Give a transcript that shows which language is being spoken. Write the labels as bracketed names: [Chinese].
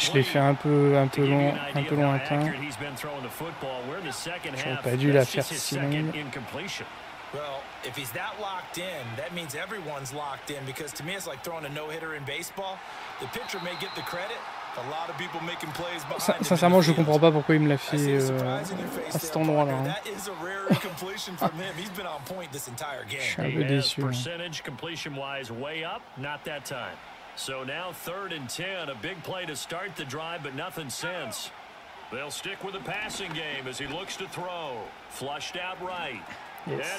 [French] Je l'ai fait un peu long, J'aurais pas dû la faire si longue. [English] Well, if he's that locked in, that means everyone's locked in, because to me it's like throwing a no-hitter in baseball. The pitcher may get the credit, a lot of people making plays behind. [French] Sincèrement, je comprends pas pourquoi il me l'a fait à cet endroit-là. [English] That is a rare completion from him. He's been on point this entire game. [French] Je suis un peu déçu. [English] Percentage completion wise way up, not that time. So now third and 10, a big play to start the drive, but nothing since. They'll stick with the passing game as he looks to throw. Flushed out right. Yes.